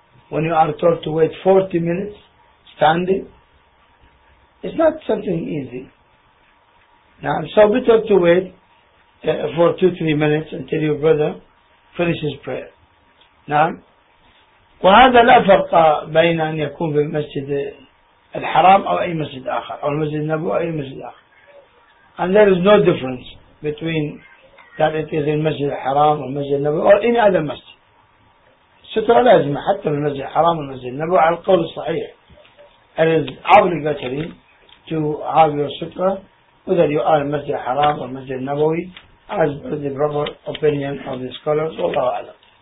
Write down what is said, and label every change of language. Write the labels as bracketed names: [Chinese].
[English] When you are told to wait 40 minutes, standing, it's not something easy. Now, it's so better to wait for 2-3 minutes until your brother finishes prayer. [Arabic] نعم. وهذا لا فرق بين أن يكون في المسجد الحرام أو أي مسجد آخر أو المسجد النبوي أو أي مسجد آخر. [English] And there is no difference between that it is in المسجد الحرام or المسجد النبوي or any other مسجد. [Arabic] سترة لازمة حتى في المسجد الحرام والمسجد النبوي على القول الصحيح. [English] It is obligatory to have your سترة whether you are in المسجد الحرام or المسجد النبوي, as per the proper opinion of the scholars, Allahu A'lam.